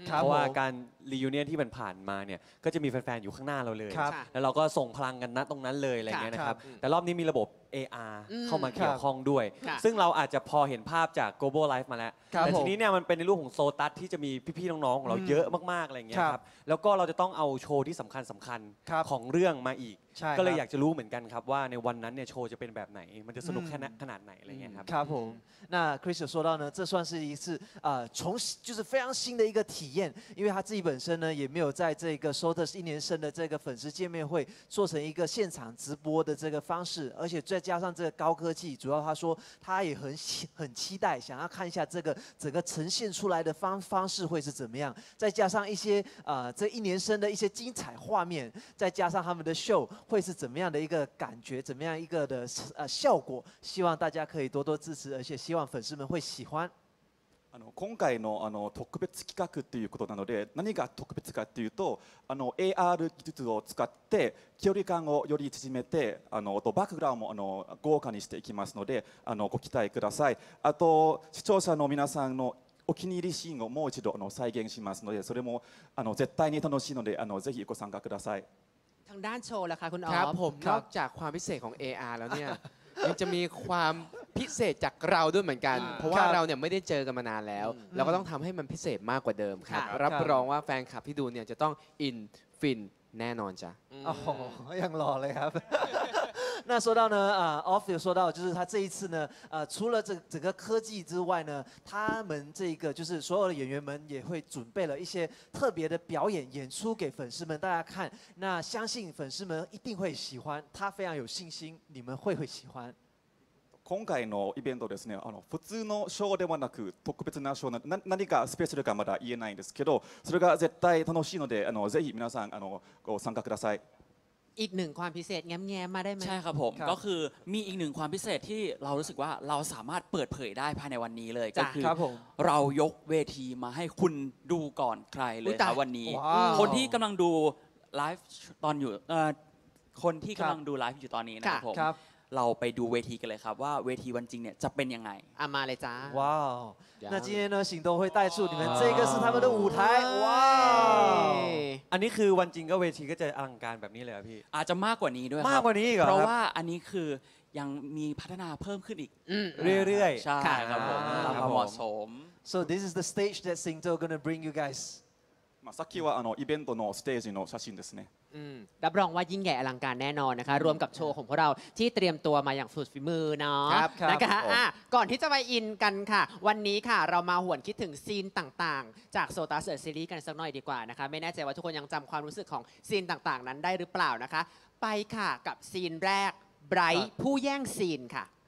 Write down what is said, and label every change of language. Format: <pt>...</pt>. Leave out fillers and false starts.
<th>เพราะว่าการรีวิวเนี่ยที่มันผ่านมาเนี่ยก็จะมีแฟนๆอยู่ข้างหน้าเราเลยแล้วเราก็ส่งพลังกันณตรงนั้นเลยอะไรเงี้ยนะครับแต่รอบนี้มีระบบ AR เข้ามาเกี่ยวข้องด้วยซึ่งเราอาจจะพอเห็นภาพจาก Global Live มาแล้วแต ทีนี้เนี่ยมันเป็นในรูปของโซตัสที่จะมีพี่ๆน้องๆของเราเยอะมากๆอะไรเงี้ยครับแล้วก็เราจะต้องเอาโชว์ที่สำคัญของเรื่องมาอีกก็เลยอยากจะรู้เหมือนกันครับว่าในวันนั้นเนี่ยโชว์จะเป็นแบบไหนมันจะสนุกแค่ขนาดไหนอะไรเงี้ยครับ ครับผม</th> <zh>那 Chris 有说到呢这算是一次从就是非常新的一个体验因为他自己本身呢也没有在这个 Sotus 一年生的这个粉丝见面会做成一个现场直播的这个方式而且再加上这个高科技主要他说他也很期待想要看一下这个整个呈现出来的方式会是怎么样再加上一些这一年生的一些精彩画面再加上他们的 show会是怎么样的一个感觉怎么样一个的效果希望大家可以多多支持而且希望粉丝们会喜欢</zh> <ja>あの今回 の, あの特別企画ということなので何が特別かというとあの AR 技術を使って距離感をより縮めてあのとバックグラウンドもあの豪華にしていきますのであのご期待くださいあと視聴者の皆さんのお気に入りシーンをもう一度あの再現しますのでそれもあの絶対に楽しいのであのぜひご参加ください</ja> <th>ทางด้านโชว์ละคะคุณออฟ ครับผมนอกจากความพิเศษของ AR แล้วเนี่ยมันจะมีความพิเศษจากเราด้วยเหมือนกันเพราะว่าเราเนี่ยไม่ได้เจอกันมานานแล้วเราก็ต้องทำให้มันพิเศษมากกว่าเดิมครับรับรองว่าแฟนคลับที่ดูเนี่ยจะต้องอินฟินแน่นอนจ้ะ โอ้ยังรอเลยครับ</th> <zh>那说到呢，Off 有说到，就是他这一次呢，除了这整个科技之外呢，他们这个就是所有的演员们也会准备了一些特别的表演演出给粉丝们大家看。那相信粉丝们一定会喜欢，他非常有信心，你们会喜欢。</zh> <ja>今回のイベントですね、普通のショーではなく特別なショーな何かスペシャルかまだ言えないんですけど、それが絶対楽しいので、ぜひ皆さんご参加ください。</ja> <th>อีกหนึ่งความพิเศษแง้มๆมาได้ไหม ใช่ครับผมก็คือมีอีกหนึ่งความพิเศษที่เรารู้สึกว่าเราสามารถเปิดเผยได้ภายในวันนี้เลยก็คือเรายกเวทีมาให้คุณดูก่อนใครเลยครับวันนี้ คนที่กำลังดูไลฟ์ตอนอยู่คนที่กำลังดูไลฟ์อยู่ตอนนี้นะครับ เราไปดูเวทีกันเลยครับว่าเวทีวันจริงเนี่ยจะเป็นยังไง อ่ะมาเลยจ้า ว้าว</th> <zh>那今天呢行动会带出你们这个是他们的舞台</zh> <th>ว้าว อันนี้คือวันจริงก็เวทีก็จะอลังการแบบนี้เลยพี่ อาจจะมากกว่านี้ด้วย มากกว่านี้อีกเหรอ เพราะว่าอันนี้คือยังมีพัฒนาเพิ่มขึ้นอีก เรื่อยๆ ใช่ครับผมเหมาะสม</th> <en>so this is the stage that Singto gonna bring you guys</en> <ja>まあさっきはあのイベントのステージの写真ですね</ja> <th>รับรองว่ายิ่งใหญ่อลังการแน่นอนนะคะรวมกับโชว์ของพวกเราที่เตรียมตัวมาอย่างสุดฝีมือเนาะนะคะก่อนที่จะไปอินกันค่ะวันนี้ค่ะเรามาหวนคิดถึงซีนต่างๆจากโซตัสเดอะซีรีส์กันสักหน่อยดีกว่านะคะไม่แน่ใจว่าทุกคนยังจำความรู้สึกของซีนต่างๆนั้นได้หรือเปล่านะคะไปค่ะกับซีนแรกไบรท์ผู้แย่งซีนค่ะ</th>